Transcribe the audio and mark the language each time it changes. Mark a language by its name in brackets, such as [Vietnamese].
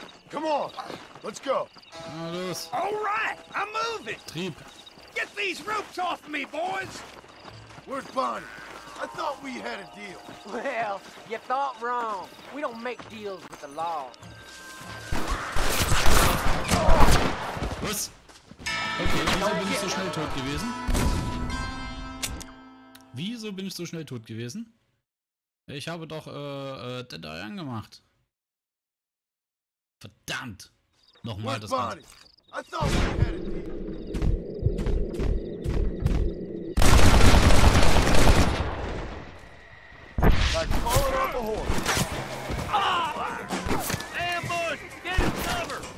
[English] Come on, let's go. All right, I'm moving! Trip. Get these ropes off me, boys! Where's Bonnie? I thought we had a deal. Well, you thought wrong. We don't make deals with the law. [German] Was? Okay, wieso bin ich so schnell tot gewesen? Wieso bin ich so schnell tot gewesen? Ich habe doch Dead Eye angemacht. Verdammt! Nochmal das Ganze. [English] I thought we had a deal. Ambush! Get in cover!